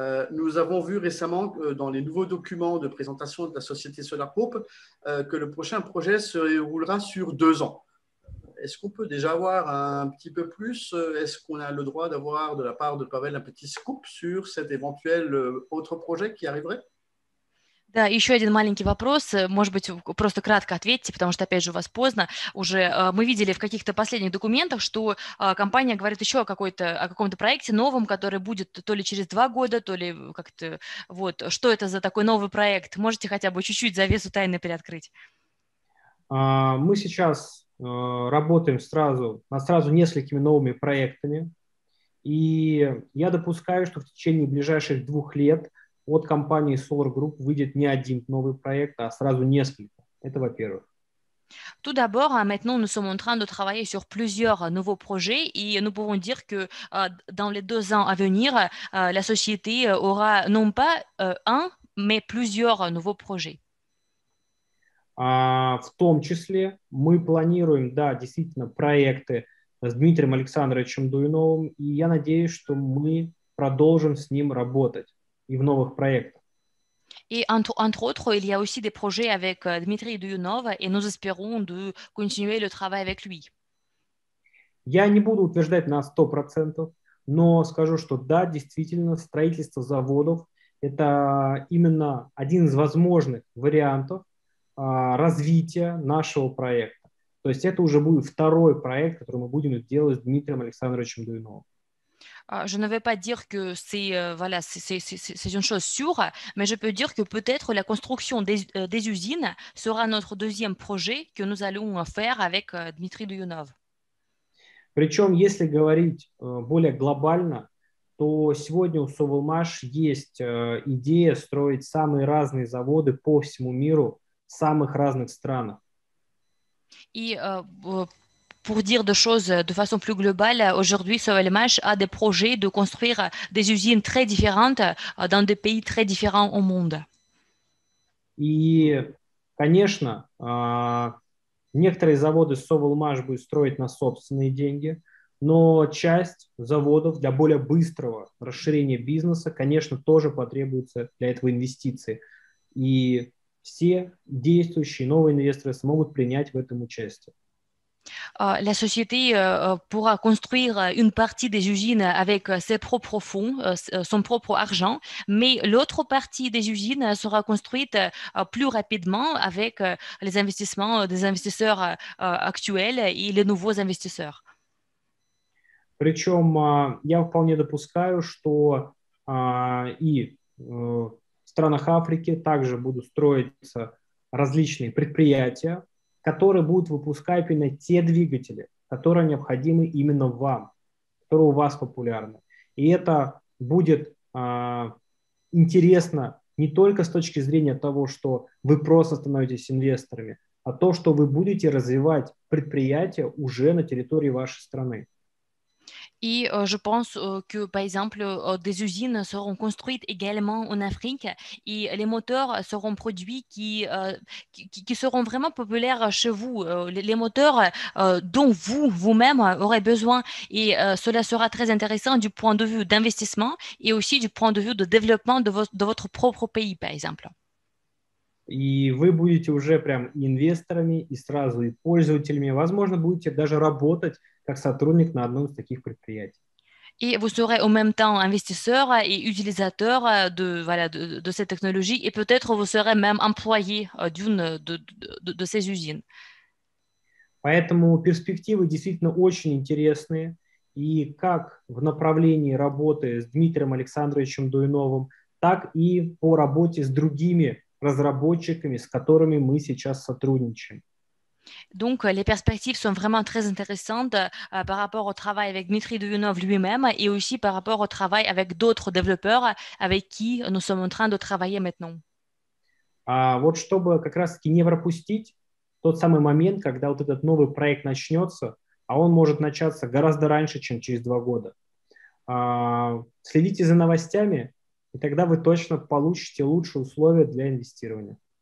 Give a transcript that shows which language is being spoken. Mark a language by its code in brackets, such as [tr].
[fr] Nous avons vu récemment dans les nouveaux documents de présentation de la société Solar Group que le prochain projet se roulera sur 2 ans. Est-ce qu'on peut déjà avoir un petit peu plus? Est-ce qu'on a le droit d'avoir de la part de Pavel un petit scoop sur cet éventuel autre projet qui arriverait? [ru] Да, еще один маленький вопрос. Может быть, просто кратко ответьте, потому что, опять же, у вас поздно. Уже мы видели в каких-то последних документах, что компания говорит еще о каком-то проекте новом, который будет то ли через 2 года, то ли как-то вот. Что это за такой новый проект? Можете хотя бы чуть-чуть завесу тайны приоткрыть? Мы сейчас работаем сразу несколькими новыми проектами, и я допускаю, что в течение ближайших 2 лет от компании Solar Group выйдет не один новый проект, а сразу несколько. Это во-первых. [fr] Tout d'abord, maintenant, nous sommes en train de travailler sur plusieurs nouveaux projets et nous pouvons dire que dans les 2 ans à venir, la société aura non pas un, mais plusieurs nouveaux projets. [ru] В том числе мы планируем, да, действительно, проекты с Дмитрием Александровичем Дуйновым, и я надеюсь, что мы продолжим с ним работать и в новых проектах. [fr] Et entre autres, il y a aussi des projets avec Dmitri Duyunov et nous espérons de continuer le travail avec lui. [ru] Я не буду утверждать на 100%, но скажу, что да, действительно, строительство заводов – это именно один из возможных вариантов развития нашего проекта. То есть это уже будет второй проект, который мы будем делать с Дмитрием Александровичем Дуйновым. [fr] Je ne vais pas dire que c'est une chose sûre, mais je peux dire que peut-être la construction des usines sera notre deuxième projet que nous allons faire avec Dmitri Duyunov. [ru] Причем, если говорить более глобально, то сегодня у Совелмаш есть идея строить самые разные заводы по всему миру, самых разных странах. [fr] И Pour dire des choses de façon plus globale, aujourd'hui, Sovelmash a des projets de construire des usines très différentes dans des pays très différents au monde. [ru] И, конечно, некоторые заводы Совелмаш будут строить на собственные деньги, но часть заводов для более быстрого расширения бизнеса, конечно, тоже потребуется для этого инвестиции. И все действующие новые инвесторы смогут принять в этом участие. [fr] La société pourra construire une partie des usines avec ses propres fonds, son propre argent, mais l'autre partie des usines sera construite plus rapidement avec les investissements des investisseurs actuels et les nouveaux investisseurs. [ru] Причем я вполне допускаю, что и в странах Африки также будут строиться различные предприятия, которые будут выпускать именно те двигатели, которые необходимы именно вам, которые у вас популярны. И это будет интересно не только с точки зрения того, что вы просто становитесь инвесторами, а то, что вы будете развивать предприятия уже на территории вашей страны. [fr] Et je pense que, par exemple, des usines seront construites également en Afrique et les moteurs seront produits qui seront vraiment populaires chez vous, les moteurs dont vous-même aurez besoin. Et cela sera très intéressant du point de vue d'investissement et aussi du point de vue de développement de votre propre pays, par exemple. [ru] И вы будете уже прям инвесторами и сразу и пользователями. Возможно, будете даже работать как сотрудник на одном из таких предприятий. И вы [fr] serez en même temps investisseur et utilisateur de cette technologie, et peut-être vous serez même employé d'une de ces usines. [ru] Поэтому перспективы действительно очень интересные. И как в направлении работы с Дмитрием Александровичем Дуйновым, так и по работе с другими разработчиками, с которыми мы сейчас сотрудничаем. Donc, les perspectives sont vraiment très intéressantes par рapport au travail avec Dmitri Duyunov lui-même et aussi par rapport au travail avec d'autres développeurs avec qui nous sommes en train de travailler maintenant. А вот чтобы как раз-таки не пропустить тот самый момент, когда вот этот новый проект начнется, а он может начаться гораздо раньше, чем через 2 года. Следите за новостями. И тогда вы точно получите лучшие условия для инвестирования.